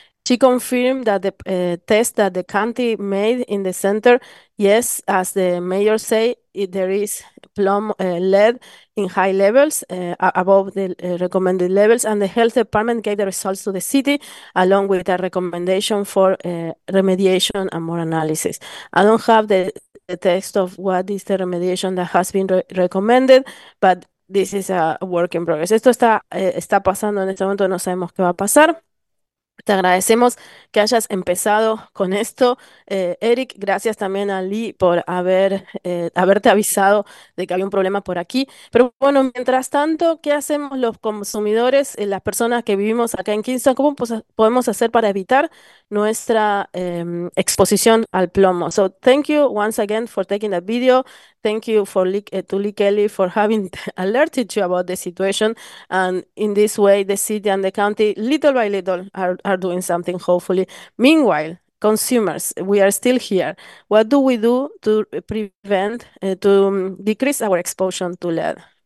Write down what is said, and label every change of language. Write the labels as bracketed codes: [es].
[en] She confirmed that the test that the county made in the center, yes, as the mayor say, there is lead in high levels, above the recommended levels, and the health department gave the results to the city, along with a recommendation for remediation and more analysis. I don't have the the text of what is the remediation that has been re recommended, but this is a work in progress. [es] Esto está pasando en este momento, no sabemos qué va a pasar. Te agradecemos que hayas empezado con esto. Eric, gracias también a Lee por haberte avisado de que había un problema por aquí. Pero bueno, mientras tanto, ¿qué hacemos los consumidores, las personas que vivimos acá en Kingston? ¿Cómo podemos hacer para evitar nuestra exposición al plomo? [en] So, thank you once again for taking the video. Thank you to Lee Kelly for having alerted you about the situation. And in this way, the city and the county, little by little, are doing something, hopefully. Meanwhile, consumers, we are still here. What do we do to prevent, to decrease our exposure to lead?